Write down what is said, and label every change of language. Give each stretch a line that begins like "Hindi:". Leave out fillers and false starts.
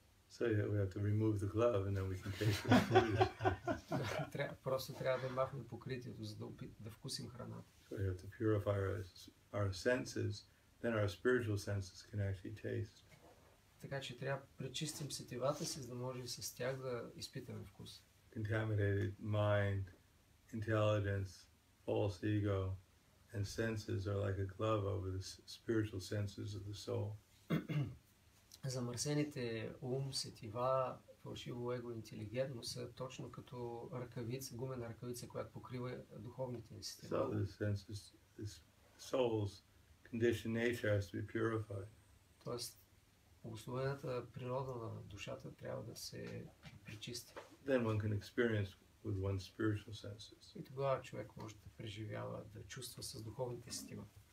English: So yeah, we have to remove the glove and then we can taste the food.
Bulgarian: Просто трябва да махнем покритието, за да вкусим храната.
English: So we have to purify our senses, then our spiritual senses can actually taste.
Bulgarian: Така че трябва да пречистим сетивата си, за да може с тях да изпитаме вкус.
English: Contaminated mind, intelligence, false ego, and senses are like a glove over the spiritual senses of the soul.
Bulgarian: Замърсените ум, сетива, фалшиво его, интелигентност са точно като ръкавица, гумена ръкавица, която покрива духовните ни системи.
English: So the senses, the soul's conditioned nature has to be purified.
Bulgarian: Тоест, обусловената природа на душата трябва да се причисти.
English: Then one can experience with one's spiritual senses.
Bulgarian: И тогава човек може да преживява, да чувства с духовните сетива.